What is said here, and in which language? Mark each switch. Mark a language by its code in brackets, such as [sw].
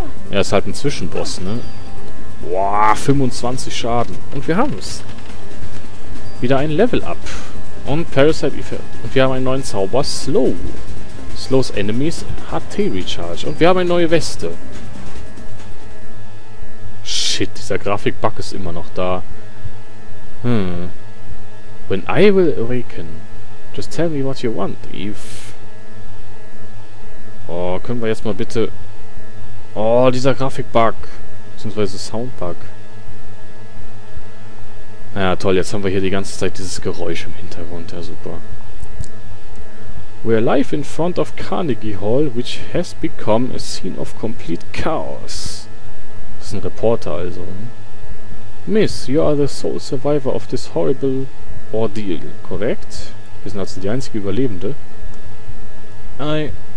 [de] Er ist halt ein Zwischenboss, ne? Boah, 25 Schaden. Und wir haben es. Wieder ein Level-Up. Und Parasite... Und wir haben einen neuen Zauber. Slow. [en] Slows Enemies. [de] HT Recharge. Und wir haben eine neue Weste. Shit, dieser Grafik-Bug ist immer noch da. [en] When I will awaken, just tell me what you want, Eve. [de] Oh, können wir jetzt mal bitte... Oh, dieser Grafikbug. Beziehungsweise Soundbug. Ja, toll. Jetzt haben wir hier die ganze Zeit dieses Geräusch im Hintergrund. Ja, super. [en] We're live in front of Carnegie Hall, which has become a scene of complete chaos. [de] Das ist ein Reporter also. [en] Hm? Miss, you are the sole survivor of this horrible ordeal. [de] Korrekt? Wir sind also die einzige Überlebende. [en] I...